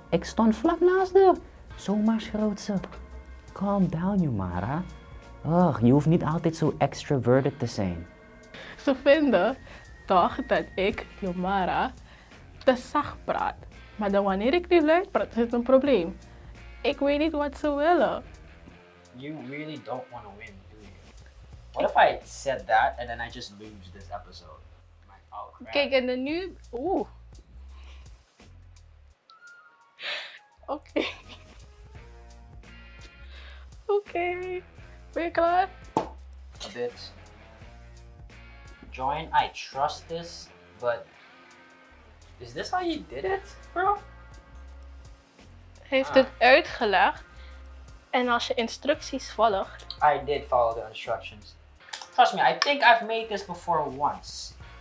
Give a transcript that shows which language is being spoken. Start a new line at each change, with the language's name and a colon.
Dutch: Ik stond vlak naast haar. Zomaar schroot ze.
English: Calm down, Jomara.
Dutch: Ugh, je hoeft niet altijd zo extroverted te zijn. Ze vinden toch dat ik, Jomara, te zacht praat. Maar dan wanneer ik niet luid praat, is het een probleem. Ik weet niet wat ze willen.
English: You really don't want to win. What if I said that and then I just lose this episode? Oh, crap.
Dutch: Kijk, en dan nu... Oeh. Oké. Okay. Okay. Ben je klaar?
English: A bit. Join, I trust this, but... Is this how you did it, bro?
Dutch: Heeft het uitgelegd. En als je instructies volgt...
English: I did follow the instructions. Trust me, I think I've made this before once.